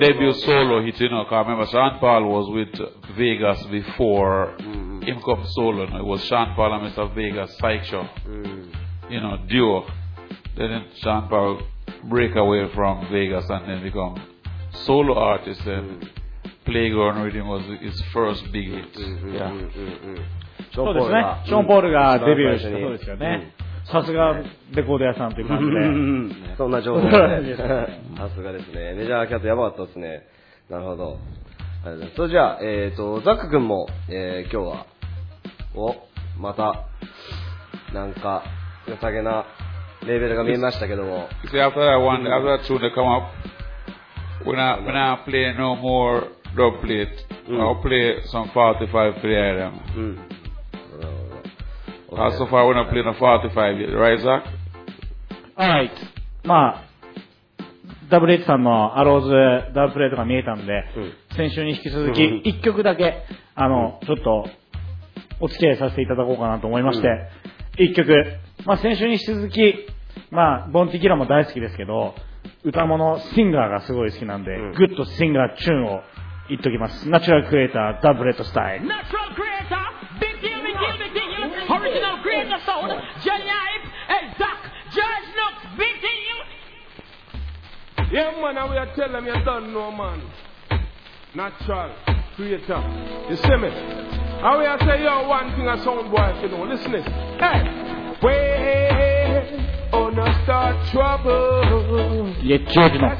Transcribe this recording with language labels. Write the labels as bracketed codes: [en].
[en] Debut solo hit, you know, because remember, Sean Paul was with Vegas before him come solo. It was Sean Paul and Mr. Vegas, Sideshow. You know, duo. Then Sean Paul... break away from Vegas and then become solo artist and Playground Rhythm was his first big hit. Yeah. [ja] そうですね。ショーン・ポールがデビューしたそうですよね。さすがレコード屋さんという感じで。そんな情報ですね。さすがですね。メジャーキャットやばかったですね。なるほど。それじゃあ、ザック君も、今日は、また、なんか、良さげな、レーベルが見えましたけども。 [en] See, after that one, after that tune, they come up. When I play no more dub plate, I'll play some 45 player them. Okay. So far, when I play no 45, right, Zach? Alright. [ja] まあ、ダブルHさんのアローズダブルプレイとか見えたんで、先週に引き続き1曲だけちょっとお付き合いさせていただこうかなと思いまして、1曲、まあ、先週に引き続き、まあ、ボンティキラも大好きですけど、歌物シンガーがすごい好きなんで、グッドシンガーチューンを言っときます。ナチュラルクリエイターダブルHスタイル。ナチュラルクリエイタービッキーミキーミキーユーオリジナルクリエイターソウルジェニアイプエッザックジャージノックビッキーユー。 [en] Yeah man, I will tell them you don't know man. Natural creator. You see me? I will say yo one thing a sound boy if you know. Listen this. Hey! Wait on a start trouble. Yeah, George Knox.